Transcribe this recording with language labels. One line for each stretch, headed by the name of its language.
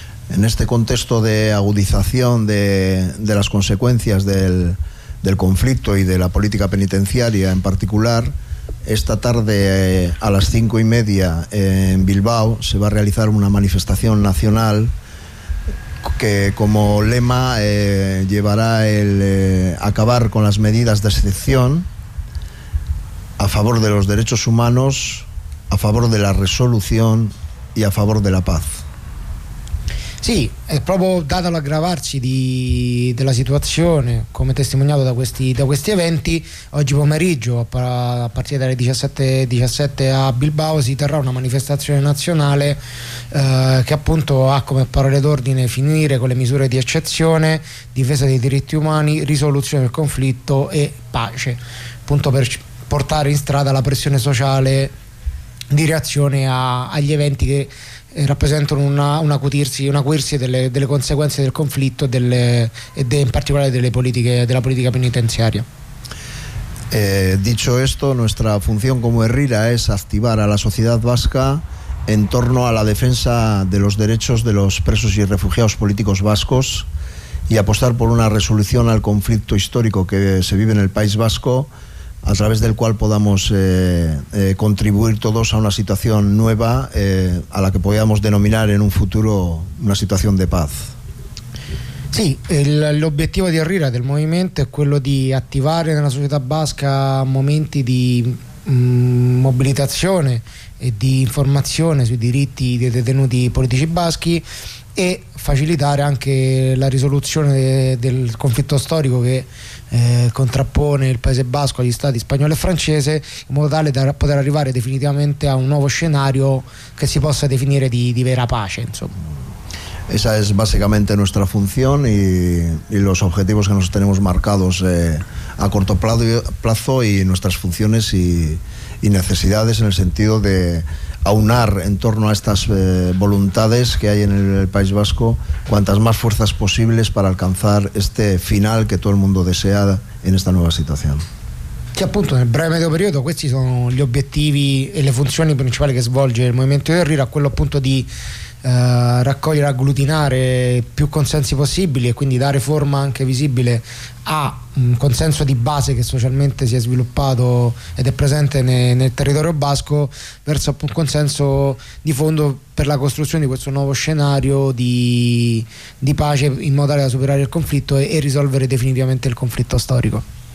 Spanish: En este contexto de agudización de las consecuencias del conflicto y de la política penitenciaria en particular, esta tarde a las 5:30 en Bilbao se va a realizar una manifestación nacional que como lema llevará el acabar con las medidas de excepción a favor de los derechos humanos, a favor de la resolución y a favor de la paz.
Italian: Sì, è proprio dato l'aggravarsi della situazione, come testimoniato da questi eventi, oggi pomeriggio a partire dalle 17:17 a Bilbao si terrà una manifestazione nazionale che appunto ha come parole d'ordine finire con le misure di eccezione, difesa dei diritti umani, risoluzione del conflitto e pace, appunto per portare in strada la pressione sociale di reazione agli eventi che rappresentano un acuirsi delle conseguenze del conflitto in particolare delle politiche della politica penitenziaria.
Spanish: Dicho esto, nuestra función como Herrera es activar a la sociedad vasca en torno a la defensa de los derechos de los presos y refugiados políticos vascos y apostar por una resolución al conflicto histórico que se vive en el País Vasco, a través del cual podamos contribuir todos a una situación nueva a la que podamos denominar en un futuro una situación de paz.
Italian: Sì, l'obiettivo di Herrera del movimento è quello di attivare nella società basca momenti di mobilitazione e di informazione sui diritti dei detenuti politici baschi e facilitare anche la risoluzione del conflitto storico che contrappone il Paese Basco agli stati spagnolo e francese, in modo tale da poter arrivare definitivamente a un nuovo scenario che si possa definire di vera pace, insomma.
Spanish: Esa es básicamente nuestra función y los objetivos que nos tenemos marcados a corto plazo y nuestras funciones y necesidades en el sentido de aunar en torno a estas voluntades que hay en el País Vasco cuantas más fuerzas posibles para alcanzar este final que todo el mundo desea en esta nueva situación.
Italian: Sì, appunto, nel breve medio periodo questi sono gli obiettivi e le funzioni principali che svolge il Movimento Herrera, quello appunto di raccogliere, agglutinare più consensi possibili e quindi dare forma anche visibile a un consenso di base che socialmente si è sviluppato ed è presente nel territorio basco verso un consenso di fondo per la costruzione di questo nuovo scenario di pace in modo tale da superare il conflitto e risolvere definitivamente il conflitto storico.